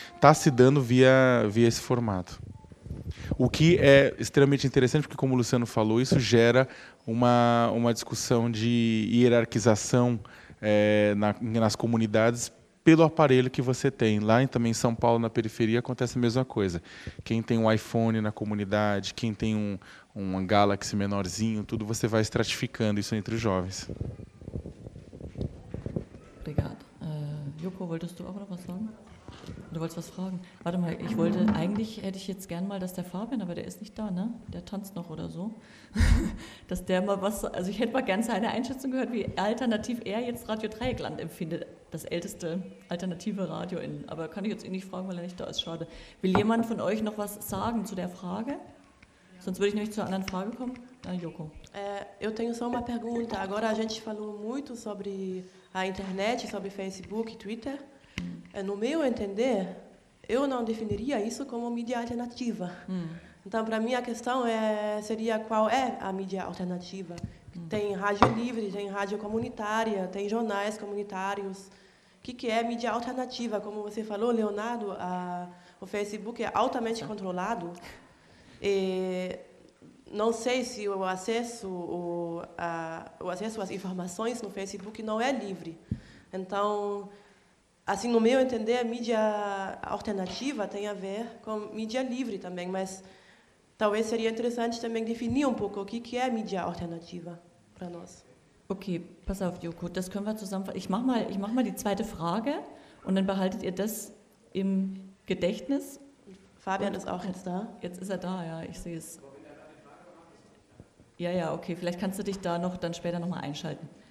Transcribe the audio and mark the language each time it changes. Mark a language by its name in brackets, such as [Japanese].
[Portuguese] Está se dando via esse formato. O que é extremamente interessante, porque, como o Luciano falou, isso gera uma discussão de hierarquização nas comunidades pelo aparelho que você tem. Lá também em São Paulo, na periferia, acontece a mesma coisa. Quem tem um iPhone na comunidade, quem tem um Galaxy menorzinho, tudo, você vai estratificando isso entre os jovens. Obrigada. [German] Joko, wolltest du auch noch was sagen? Du wolltest was fragen? Warte mal, eigentlich hätte ich jetzt gern mal, dass der Fabian, aber der ist nicht da, ne? Der tanzt noch oder so. Dass der mal was, also ich hätte mal gern seine Einschätzung gehört, wie alternativ er jetzt Radio Dreieckland empfindet. Das älteste alternative Radio in, aber kann ich jetzt eh nicht fragen, weil er nicht da ist, schade. Will jemand von euch noch was sagen zu der Frage? Ja. Sonst würde ich nämlich zur anderen Frage kommen. Ah, Joko. [Portuguese] Eu tenho só uma pergunta. Agora a gente falou muito sobre a internet, sobre Facebook, Twitter. No meu entender, eu não definiria isso como mídia alternativa. Então, para mim, a questão seria qual é a mídia alternativa. Tem rádio livre, tem rádio comunitária, tem jornais comunitários. O que é mídia alternativa? Como você falou, Leonardo, o Facebook é altamente controlado. E não sei se o acesso às informações no Facebook não é livre. Então, assim, no meu entender, a mídia alternativa tem a ver com mídia livre também, mas talvez seria interessante também definir um pouco o que é mídia alternativa. [German] Okay, pass auf, Joko, das können wir zusammenfassen. Ich mach mal die zweite Frage und dann behaltet ihr das im Gedächtnis. Fabian ist auch jetzt da. Jetzt ist er da, ja, ich sehe es. Ja, ja, okay, vielleicht kannst du dich da noch dann später nochmal einschalten.